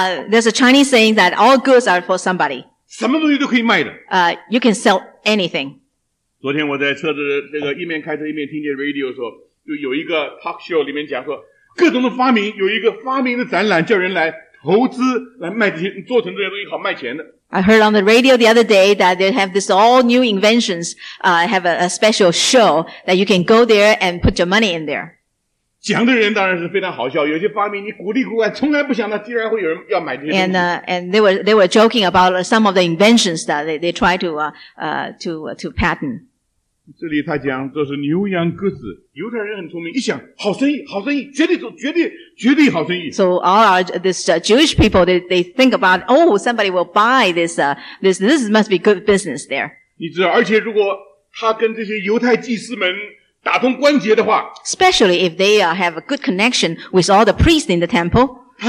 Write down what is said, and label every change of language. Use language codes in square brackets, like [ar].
[en] There's a Chinese saying that all goods are for somebody. [zh] 什么东西都可以卖的。 [en] You can sell anything. [zh] 昨天我在车子这个一面开车一面听见 radio 说，就有一个 talk show 里面讲说，各种的发明有一个发明的展览，叫人来投资来卖这些做成这些东西好卖钱的。 [en] I heard on the radio the other day that they have this all new inventions, have a special show that you can go there and put your money in there. [zh] 讲的人当然是非常好笑，有些发明你鼓励鼓励，从来不想到竟然会有人要买这些东西。 [en] And they were joking about some of the inventions that they try to patent. [zh] 这里他讲这是牛羊鸽子，犹太人很聪明，一想好生意，好生意，绝对做，绝对。绝对好生意。 [en] So all our, this Jewish people, they think about, oh, somebody will buy this, this must be good business there. [zh] 你知道，而且如果他跟这些犹太祭司们打通关节的话。 [en] Especially if they have a good connection with all the priests in the temple.